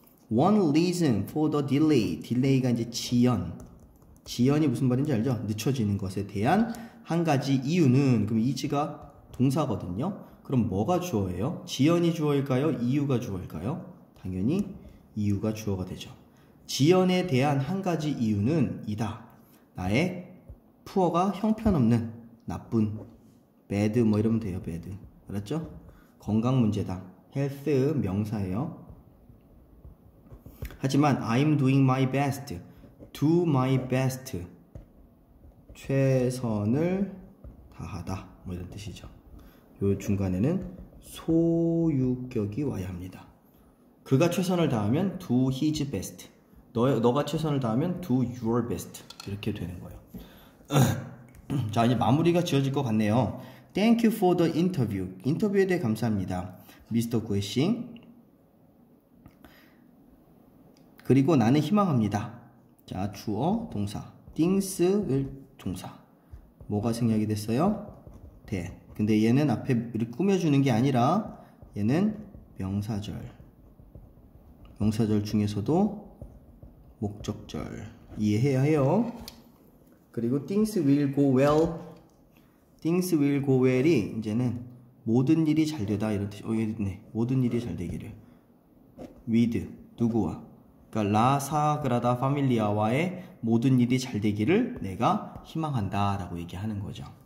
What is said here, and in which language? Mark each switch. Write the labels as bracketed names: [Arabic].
[English] One reason for the delay. [Korean] delay가 이제 지연. 지연이 무슨 말인지 알죠? 늦춰지는 것에 대한 한 가지 이유는, 그럼 이지가 동사거든요? 그럼 뭐가 주어예요? 지연이 주어일까요? 이유가 주어일까요? 당연히 이유가 주어가 되죠. 지연에 대한 한 가지 이유는 이다. 나의 푸어가 형편없는 나쁜 bad 뭐 이러면 돼요. bad. 알았죠? 건강 문제다. health 명사예요. 하지만 [English] I'm doing my best. [Korean] do my best. 최선을 다하다. 뭐 이런 뜻이죠. 요 중간에는 소유격이 와야 합니다. 그가 최선을 다하면 [English] do his best. [Korean] 너가 최선을 다하면 [English] do your best. [Korean] 이렇게 되는 거예요. 자, 이제 마무리가 지어질 것 같네요. [English] Thank you for the interview. [Korean] 인터뷰에 대해 감사합니다. [English] Mr. Guixing. [Korean] 그리고 나는 희망합니다. 자, 주어, 동사. Things, 동사. 뭐가 생략이 됐어요? 대. 근데 얘는 앞에 이렇게 꾸며주는 게 아니라 얘는 명사절. 명사절 중에서도 목적절. 이해해야 해요. 그리고 [English] things will go well. things will go well [Korean] 이 이제는 모든 일이 잘 되다 이런 뜻이. 어, 얘네. 모든 일이 잘 되기를. with 누구와? 그러니까 라 사그라다 파밀리아와의 모든 일이 잘 되기를 내가 희망한다라고 얘기하는 거죠.